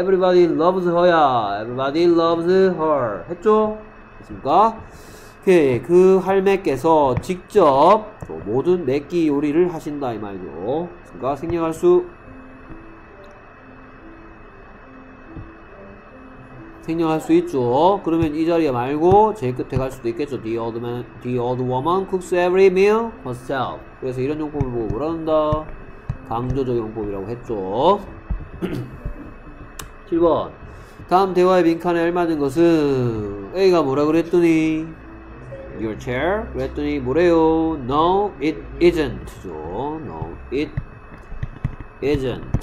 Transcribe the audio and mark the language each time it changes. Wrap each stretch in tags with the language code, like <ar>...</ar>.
<en>Everybody loves her야. Everybody loves her.</en> <ko>했죠? 됐습니까?</ko> <en>오케이.</en> <ko>그 할매께서 직접 모든 매끼 요리를 하신다 이 말이죠. 됐습니까? 생략할 수 생략할 수 있죠. 그러면 이 자리에 말고 제일 끝에 갈 수도 있겠죠.</ko> <en>The old man, the old woman cooks every meal herself.</en> <ko>그래서 이런 용법을 보고 뭐라 한다? 강조적 용법이라고 했죠. 7번. 다음 대화의 빈칸에 알맞은 것은 A가 뭐라 그랬더니</ko> <en>Your chair?</en> <ko>그랬더니 뭐래요?</ko> <en>No, it isn't. No, it isn't.</en>